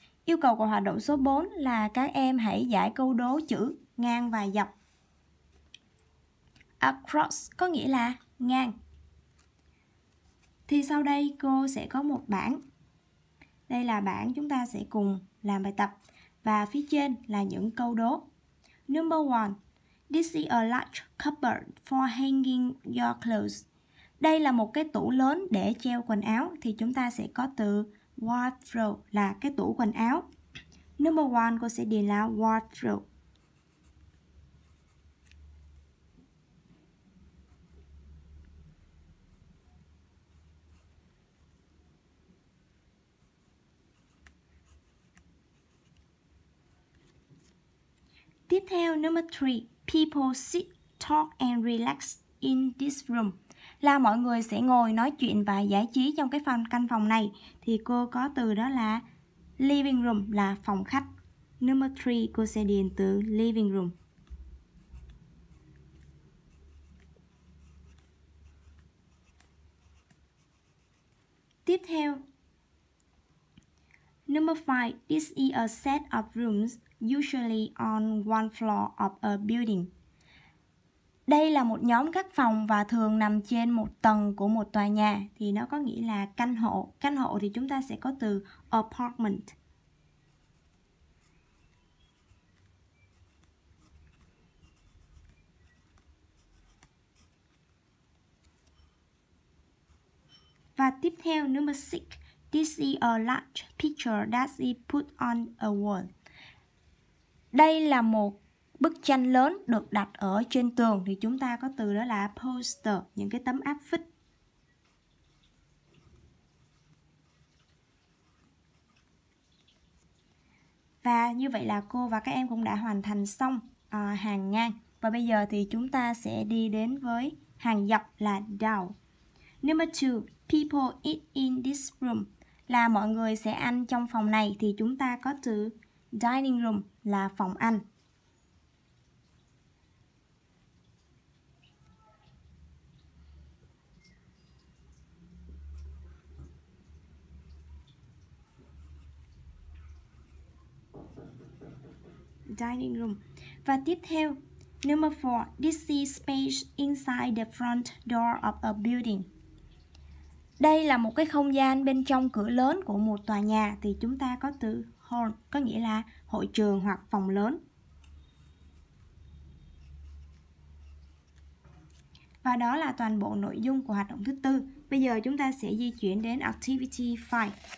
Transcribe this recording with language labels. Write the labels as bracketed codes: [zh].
[vi] Yêu cầu của hoạt động số 4 là các em hãy giải câu đố chữ ngang và dọc. Across có nghĩa là ngang. Thì sau đây cô sẽ có một bảng. Đây là bảng chúng ta sẽ cùng làm bài tập. Và phía trên là những câu đố. [en] Number 1. This is a large cupboard for hanging your clothes. [vi] Đây là một cái tủ lớn để treo quần áo. Thì chúng ta sẽ có từ wardrobe là cái tủ quần áo. Number 1 cô sẽ điền là wardrobe. Tiếp theo, [en] number 3, people sit, talk and relax in this room. [vi] Là mọi người sẽ ngồi nói chuyện và giải trí trong cái phòng căn phòng này. Thì cô có từ đó là living room là phòng khách. Number 3 cô sẽ điền từ living room. Tiếp theo, [en] number 5, this is a set of rooms usually on one floor of a building. [vi] Đây là một nhóm các phòng và thường nằm trên một tầng của một tòa nhà. Thì nó có nghĩa là căn hộ. Căn hộ thì chúng ta sẽ có từ apartment. Và tiếp theo, number 6. [en] This is a large picture that she put on a wall. [vi] Đây là một bức tranh lớn được đặt ở trên tường, thì chúng ta có từ đó là poster, những cái tấm áp phích. Và như vậy là cô và các em cũng đã hoàn thành xong hàng ngang. Và bây giờ thì chúng ta sẽ đi đến với hàng dọc là down. [en] Number 2, people eat in this room. [vi] Là mọi người sẽ ăn trong phòng này, thì chúng ta có từ dining room là phòng ăn. [en] Dining room. [vi] Và tiếp theo, [en] number 4, this is space inside the front door of a building. [vi] Đây là một cái không gian bên trong cửa lớn của một tòa nhà, thì chúng ta có từ hall, có nghĩa là hội trường hoặc phòng lớn. Và đó là toàn bộ nội dung của hoạt động thứ tư. Bây giờ chúng ta sẽ di chuyển đến activity 5.